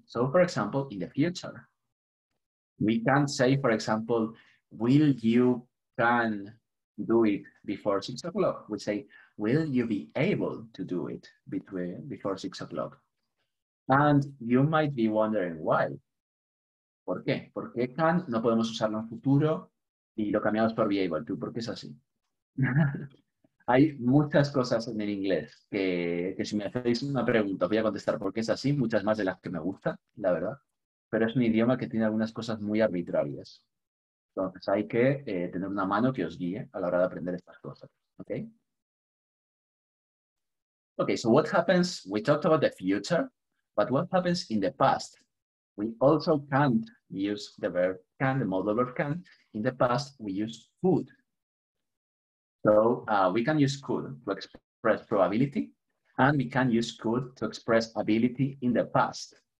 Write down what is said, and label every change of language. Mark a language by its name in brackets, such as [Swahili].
[English] So, for example, in the future, we can say, for example, will you can do it before 6 o'clock? We say, will you be able to do it before 6 o'clock? And you might be wondering why. [Spanish] ¿Por qué? ¿Por qué can? No podemos usarlo en futuro y lo cambiamos por be able to. ¿Por qué es así? Hay muchas cosas en el inglés que si me hacéis una pregunta voy a contestar por qué es así, muchas más de las que me gustan, la verdad. Pero es un idioma que tiene algunas cosas muy arbitrarias. Entonces hay que tener una mano que os guíe a la hora de aprender estas cosas. ¿Ok? [English] Ok, so what happens? We talked about the future, but what happens in the past? We also can't use the verb can, the modal verb can. In the past, we use could. So we can use could to express probability, and we can use could to express ability in the past.